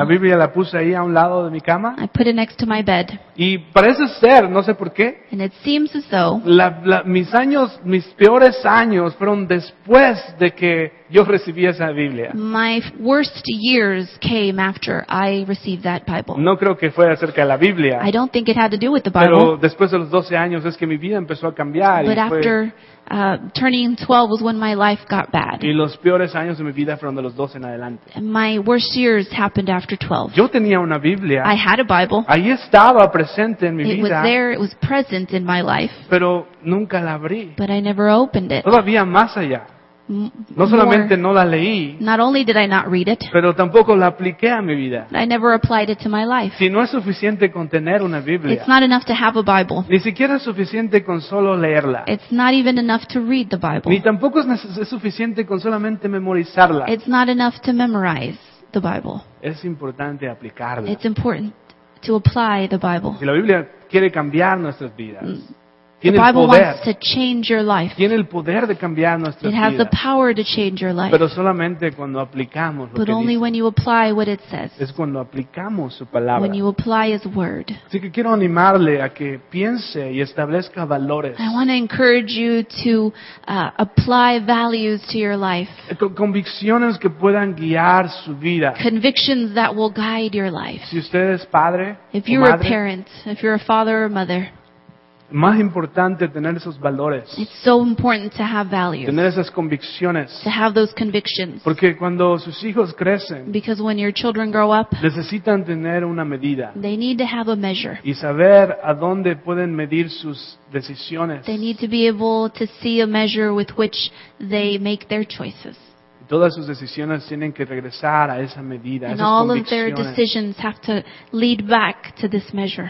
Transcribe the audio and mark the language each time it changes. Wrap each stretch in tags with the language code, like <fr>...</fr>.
<es>La Biblia la puse ahí a un lado de mi cama.</es> <en>I put it next to my bed.</en> <es>Y parece ser, no sé por qué.</es> <en>And it seems as though.</en> <es>Mis peores años fueron después de que yo recibí esa Biblia.</es> <en>My worst years came after I received that Bible.</en> <es>No creo que fue acerca de la Biblia.</es> <en>I don't think it had to do with the Bible.</en> <es>Pero después de los 12 años es que mi vida empezó a cambiar.</es> <en>But</en> <es>y fue</es> <en>after turning 12 was when my life got bad.</en> <es>Y los peores años de mi vida fueron de los 12 en adelante.</es> <en>My worst years happened after 12.</en> <es>Yo tenía una Biblia.</es> <en>I had a Bible.</en> <es>Ahí estaba presente en mi vida.</es> <en>It was there, it was present in my life.</en> <es>Pero nunca la abrí.</es> <en>But I never opened it.</en> <es>Todavía más allá. No solamente</es> <en>more,</en> <es>no la leí,</es> <en>not only did I not read it,</en> <es>pero tampoco la apliqué a mi vida.</es> <en>I never applied it to my life.</en> <es>Si no es suficiente con tener una Biblia,</es> <en>it's not enough to have a Bible.</en> <es>Ni siquiera es suficiente con solo leerla.</es> <en>It's not even enough to read the Bible.</en> <es>Ni tampoco es suficiente con solamente memorizarla.</es> <en>It's not enough to memorize the Bible.</en> <es>Es importante aplicarla.</es> <en>It's important to apply the Bible.</en> <es>Si la Biblia quiere cambiar nuestras vidas, Tiene</es> <en>the Bible</en> <es>el poder.</es> <en>Wants to change your life.</en> <es>Tiene el poder de cambiar nuestra</es> <en>it</en> <es>vida.</es> <en>Has the power to change your life.</en> <es>Pero solamente cuando aplicamos lo</es> <en>but</en> <es>que</es> <en>only</en> <es>dice.</es> <en>When you apply what it says.</en> <es>Es cuando aplicamos su palabra.</es> <en>When you apply His word.</en> <es>Así que quiero animarle a que piense y establezca valores.</es> <en>I want to encourage you to apply values to your life.</en> <es>Convicciones que puedan guiar su vida.</es> <en>Convictions that will guide your life.</en> <es>Si usted es padre</es> <en>if you're</en> <es>o madre,</es> <en>a parent, if you're a father or mother.</en> <es>Más importante tener esos valores.</es> <en>It's so important to have values.</en> <es>Tener esas convicciones.</es> <en>To have those convictions.</en> <es>Porque cuando sus hijos crecen.</es> <en>Because when your children grow up.</en> <es>Necesitan tener una medida.</es> <en>They need to have a measure.</en> <es>Y saber a dónde pueden medir sus decisiones.</es> <en>They need to be able to see a measure with which they make their choices.</en> <es>Todas sus decisiones tienen que regresar a esa medida,</es> <en>and</en> <es>esas</es> <en>all</en> <es>convicciones.</es> <en>Of their decisions have to lead back to this measure.</en>